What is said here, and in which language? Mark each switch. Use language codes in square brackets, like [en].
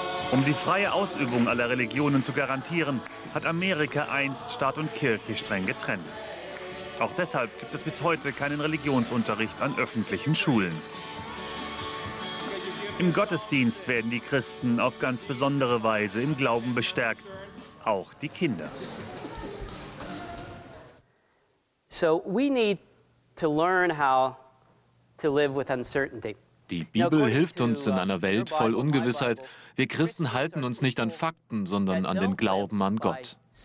[de] Um die freie Ausübung aller Religionen zu garantieren, hat Amerika einst Staat und Kirche streng getrennt. Auch deshalb gibt es bis heute keinen Religionsunterricht an öffentlichen Schulen. Im Gottesdienst werden die Christen auf ganz besondere Weise im Glauben bestärkt, auch die Kinder. [en] So we need to learn how to live with uncertainty. [de] Die Bibel hilft uns in einer Welt voll Ungewissheit. Wir Christen halten uns nicht an Fakten, sondern an den Glauben an Gott.